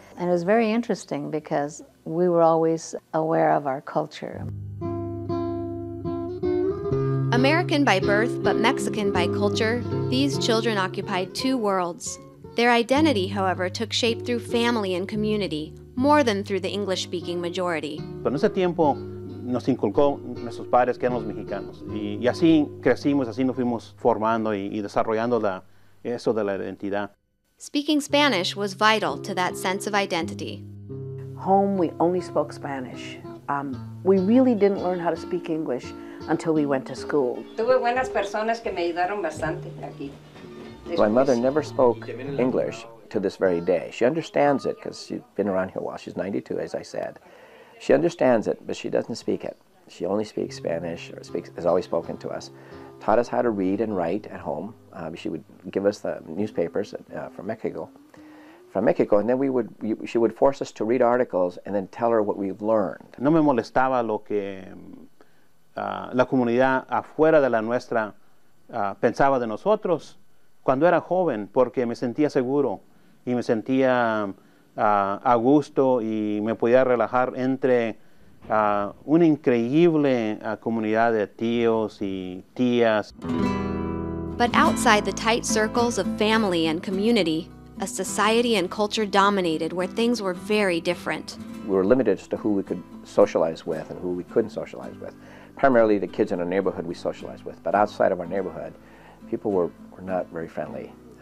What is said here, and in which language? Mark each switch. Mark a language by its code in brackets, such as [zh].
[en] And it was very interesting because we were always aware of our culture. American by birth, but Mexican by culture, these children occupied two worlds. Their identity, however, took shape through family and community, more than through the English-speaking majority. [es] Pero en ese tiempo nos inculcó nuestros padres que eran los mexicanos. Y así crecimos, así nos fuimos formando y desarrollando eso de la identidad. [en] Speaking Spanish was vital to that sense of identity. Home, we only spoke Spanish. We really didn't learn how to speak English until we went to school. [es] Tuve buenas personas que me ayudaron bastante aquí. [en] My mother never spoke English to this very day. She understands it because she's been around here a while. She's 92, as I said. She understands it, but she doesn't speak it. She only speaks Spanish, or has always spoken to us. Taught us how to read and write at home. She would give us the newspapers from Mexico, and then she would force us to read articles and then tell her what we've learned. [es] No me molestaba lo que la comunidad afuera de la nuestra pensaba de nosotros cuando era joven, porque me sentía seguro y me sentía a gusto y me podía relajar entre una increíble comunidad de tíos y tías. [en] But outside the tight circles of family and community, a society and culture dominated where things were very different. We were limited as to who we could socialize with and who we couldn't socialize with. Primarily the kids in our neighborhood we socialized with, but outside of our neighborhood, people were not very friendly.